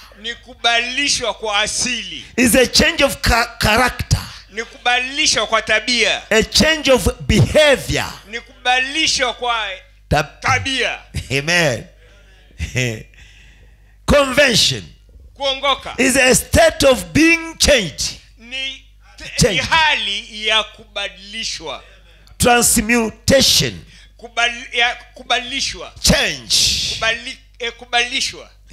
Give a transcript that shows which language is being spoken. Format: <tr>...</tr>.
<sw>Ni kubadilishwa kwa asili.</sw> <en>Is a change of character.</en> <sw>Ni kubadilishwa kwa tabia.</sw> <en>A change of behavior.</en> <sw>Ni kubadilishwa kwa tabia. Amen.</sw> <en>Convention.</en> <sw>Kuongoka.</sw> <en>Is a state of being changed.</en> <sw>Ni hali ya kubadilishwa.</sw> <en>Transmutation.</en> <sw>Kubadilishwa.</sw> <en>Change.</en> <sw>Kubadilishwa.</sw>